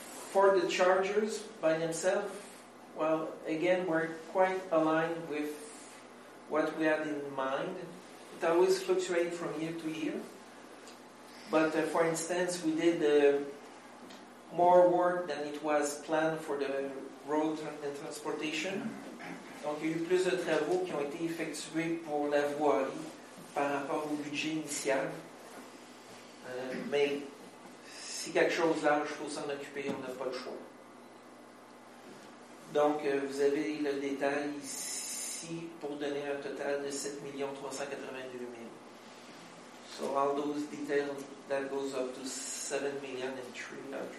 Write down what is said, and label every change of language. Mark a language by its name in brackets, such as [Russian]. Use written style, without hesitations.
[English] For the chargers by themselves, well, again, we're quite aligned with what we had in mind. It always fluctuates from year to year. But for instance, we did more work than it was planned for the road and transportation. [French] Donc, il y a eu plus de travaux qui ont été effectués pour la voirie par rapport au budget initial. Mais si quelque chose lâche, il faut s'en occuper, on n'a pas le choix. Donc, vous avez le détail ici pour donner un total de 7 382 000. [English] So, all those details, that goes up to 7 383 000.